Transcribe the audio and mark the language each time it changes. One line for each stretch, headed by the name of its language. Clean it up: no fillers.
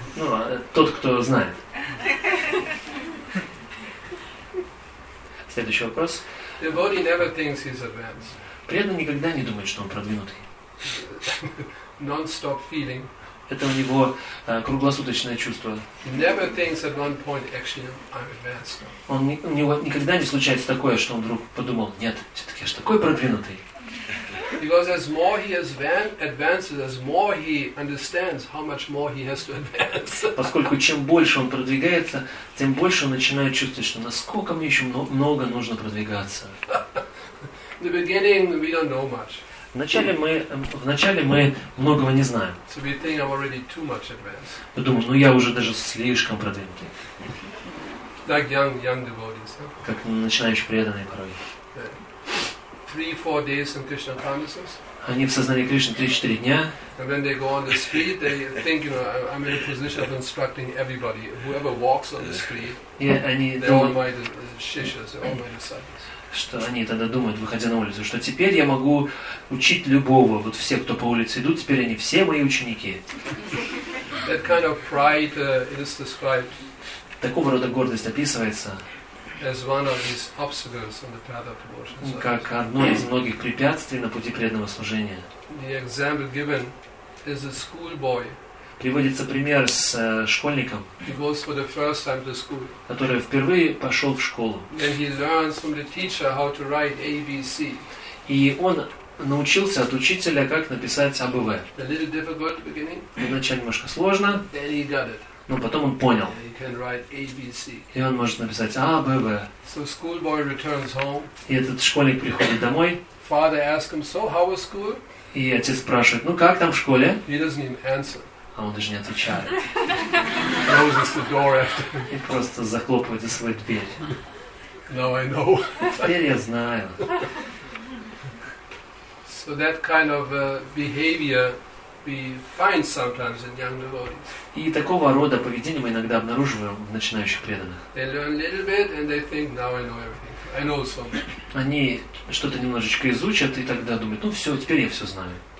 Russian: Ну, тот, кто знает. Следующий вопрос.
English: Devotee never thinks he's advanced.
Russian: Преданный никогда не думает, что он продвинутый.
English: Non-stop feeling.
Russian: Это у него круглосуточное чувство.
English: Never thinks at one point, actually, I'm advanced.
Russian: Он никогда не случается такое, что он вдруг подумал: нет, все-таки я же такой продвинутый.
English: Because as more he has advances, as more he understands how much more he has to advance.
Russian: Поскольку чем больше он продвигается, тем больше он начинает чувствовать, что насколько мне еще много нужно продвигаться.
English: In the beginning, we don't know much.
Russian: В начале мы многого не знаем.
English: So we think I'm already too much advanced.
Russian: Мы думаем, ну я уже даже слишком продвинутый.
English: Like young devotees. Huh?
Russian: Как начинающие преданные порой.
English: Yeah. 3-4 days in Krishna consciousness.
Russian: Они в сознании Кришны 3-4 дня.
English: And when they go on the street, they think, you know, I'm in a position of instructing everybody, whoever walks on the street.
Russian: Yeah, они.
English: They're all my shishas, all my disciples.
Russian: Что они тогда думают, выходя на улицу, что теперь я могу учить любого, вот все, кто по улице идут, теперь они все мои ученики.
English: That kind of pride, it is described.
Russian: Такого рода гордость описывается.
English: As one of these obstacles on the path of devotion.
Russian: Как одно из многих препятствий на пути преданного служения.
English: The example given is a schoolboy.
Russian: Приводится пример с школьником,
English: he goes for the first time to school.
Russian: Который впервые пошел в школу.
English: And he learns from the teacher how to write ABC.
Russian: И он научился от учителя, как написать АБВ.
English: A little difficult at the beginning.
Russian: Вначале немножко сложно.
English: Then he got it.
Russian: Но потом он понял.
English: He can write ABC.
Russian: И он может написать АБВ.
English: So schoolboy returns home.
Russian: И этот школьник приходит домой.
English: Father asks him, so how was school?
Russian: И отец спрашивает, ну как там в школе?
English: He doesn't even answer.
Russian: А он даже не отвечает.
English: Closes the door after.
Russian: И просто захлопывает за свою дверь.
English: Now I know.
Russian: Теперь я знаю.
English: So that kind of behavior we find sometimes in young devotees.
Russian: И такого рода поведение мы иногда обнаруживаем в начинающих преданных.
English: They learn a little bit and they think now I know everything. I know so much.
Russian: Они что-то немножечко изучат и тогда думают, ну все, теперь я все знаю.